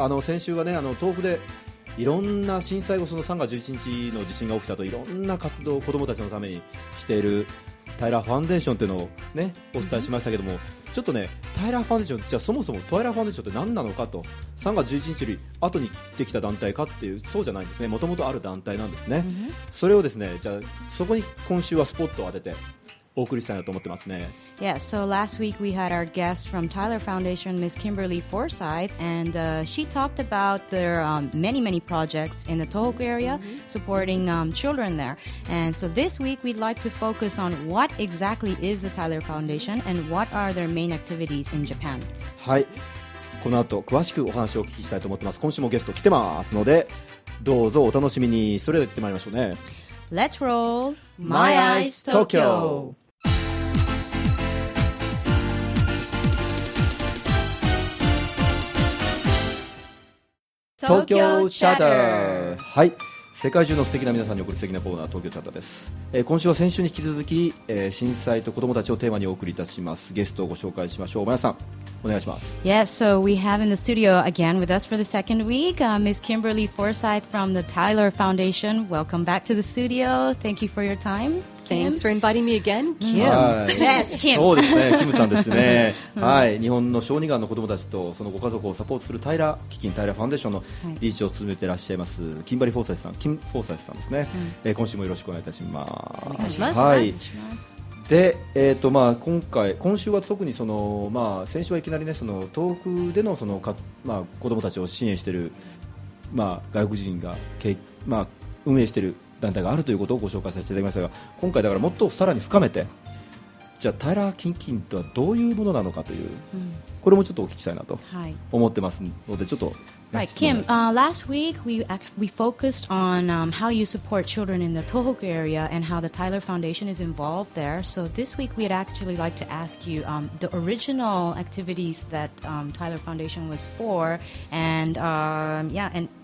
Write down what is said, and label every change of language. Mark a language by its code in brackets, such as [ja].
[ja] あの先週はね、あの豆腐でいろんな震災後、その3月11日の地震が起きたといろんな活動を子どもたちのためにしているタイラーファンデーションというのを、ね、お伝えしましたけども、うん、ちょっとねタイラーファンデーション、じゃあそもそもタイラーファンデーションって何なのかと、3月11日より後にできた団体かっていう、そうじゃないんですね、もともとある団体なんですね、うん、それをですね、じゃあそこに今週はスポットを当ててお送りしたいなと思ってますね。 [en] Yeah, so last week we had our guest from Tyler Foundation, Miss Kimberly Forsythe, and she talked about their many, many projects in the Tohoku area supporting children there. And so this week we'd like to focus on what exactly is the Tyler Foundation and what are their main activities in Japan. [ja] はい、この後詳しくお話をお聞きしたいと思ってます。今週もゲスト来てますので、どうぞお楽しみに。それでは行ってまいりましょうね。 [en] Let's roll My Eyes Tokyo。 [ja] 東京チャッター、はい、世界中の素敵な皆さんに送る素敵なコーナー東京チャッターです、今週は先週に引き続き、震災と子どもたちをテーマにお送りいたします。ゲストをご紹介しましょう。まやさん、お願いします。 [en] Yes, so we have in the studio again with us for the second week、Miss Kimberly Forsythe from the Tyler Foundation. Welcome back to the studio. Thank you for your time, Kim. Thanks for inviting me again, Kim. Yes, Kim. [ja] そうですね、キムさんですね。はい、日本の小児がんの子どもたちとそのご家族をサポートするタイラー基金、タイラーファンデーションの理事長を務めていらっしゃいます、はい、キンバリー・フォーサイスさん、キム・フォーサイスさんですね、うん、今週もよろしくお願いいたします。お願いします、はい、お願いします。で、まあ今週は特にその、まあ、先週はいきなり、ね、その東北で の, そのか、まあ、子どもたちを支援している、まあ、外国人が、まあ、運営している団体があるということをご紹介させていただきましたが、今回だからもっとさらに深めて、じゃあタイラー基金とはどういうものなのかという、うん、これもちょっとお聞きしたいなと思ってますので、はい、ちょっと、 [en] ね、Right, Kim, last week we focused on how you support children in the Tohoku area and how the Tyler Foundation is involved there. So this week we'd actually like to ask you the original activities that Tyler Foundation was for, and yeah, and